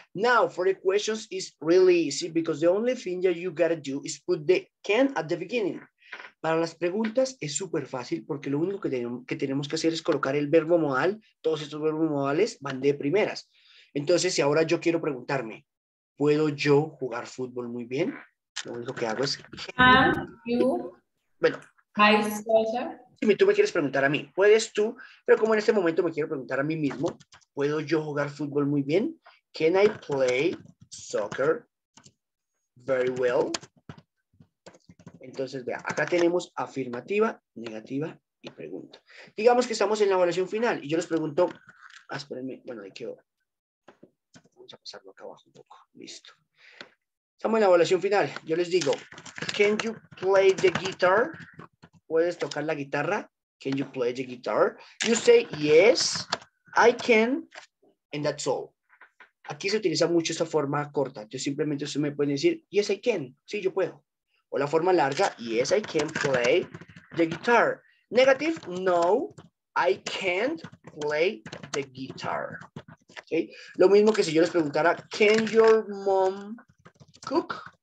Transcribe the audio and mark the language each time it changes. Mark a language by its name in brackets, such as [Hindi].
[English] Now for the questions is really easy because the only thing that you gotta do is put the can at the beginning. [Spanish] Para las preguntas es súper fácil porque lo único que tenemos que hacer es colocar el verbo modal. Todos estos verbos modales van de primeras. Entonces, si ahora yo quiero preguntarme, ¿puedo yo jugar fútbol muy bien? Lo único que hago es... [English] Can you... [Spanish] Bueno. [English] Play soccer? [Spanish] Si tú me quieres preguntar a mí, ¿puedes tú? Pero como en este momento me quiero preguntar a mí mismo, ¿puedo yo jugar fútbol muy bien? [English] Can I play soccer very well? [Spanish] Entonces, vea, acá tenemos afirmativa, negativa y pregunta. Digamos que estamos en la evaluación final y yo les pregunto... espérenme, bueno, ¿de qué hora? Vamos a pasarlo acá abajo un poco. Listo. Estamos en la evaluación final. Yo les digo, [English] can you play the guitar? [Spanish] ¿Puedes tocar la guitarra? [English] Can you play the guitar? You say, yes, I can, and that's all. [Spanish] Aquí se utiliza mucho esta forma corta. Yo simplemente se me pueden decir, [English] yes, I can. [Spanish] Sí, yo puedo. O la forma larga, [English] yes, I can play the guitar. Negative, no, I can't play the guitar. Okay. [Spanish] Lo mismo que si yo les preguntara, [English] can your mom cook?